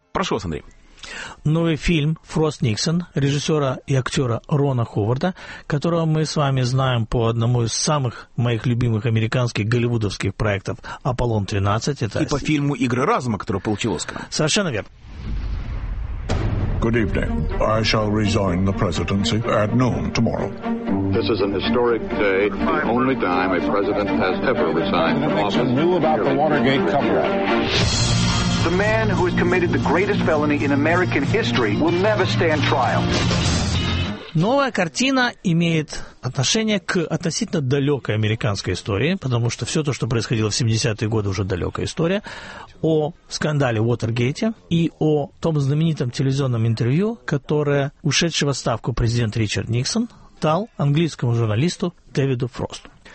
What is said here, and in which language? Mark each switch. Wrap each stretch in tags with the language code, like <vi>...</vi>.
<ru>Прошу вас, Андрей. Новый фильм «Фрост Никсон» режиссера и актера Рона Ховарда, которого мы с вами знаем по одному из самых моих любимых американских голливудовских проектов «Аполлон-13». Это... И по фильму «Игры разума», который получил «Оскар». Совершенно верно.</ru> <en>Good evening. I shall resign the presidency at noon tomorrow. This is an historic day. The only time a president has ever resigned from office. Nixon knew about the Watergate cover-up. The man who has committed the greatest felony in American history will never stand trial.</en> <ru>Новая картина имеет отношение к относительно далекой американской истории, потому что все то, что происходило в 70-е годы, уже далекая история, о скандале в Уотергейте и о том знаменитом телевизионном интервью, которое ушедший в отставку президент Ричард Никсон дал английскому журналисту Дэвиду Фросту.</ru>